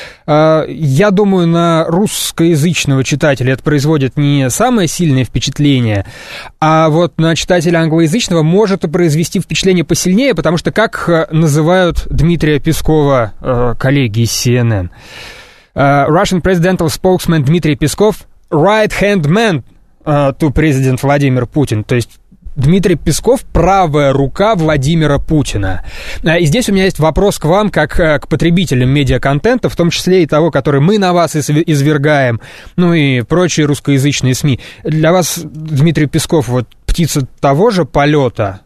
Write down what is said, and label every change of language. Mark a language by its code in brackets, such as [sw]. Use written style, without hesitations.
[ru] Я думаю, на русскоязычного читателя это производит не самое сильное впечатление, а вот на читателя англоязычного может произвести впечатление посильнее, потому что как называют Дмитрия Пескова коллеги из CNN? [en] Russian presidential spokesman Дмитрий Песков – right-hand man to president Владимир Путин. [ru] То есть Дмитрий Песков – правая рука Владимира Путина. И здесь у меня есть вопрос к вам, как к потребителям медиаконтента, в том числе и того, который мы на вас извергаем, ну и прочие русскоязычные СМИ. Для вас Дмитрий Песков – вот птица того же полета?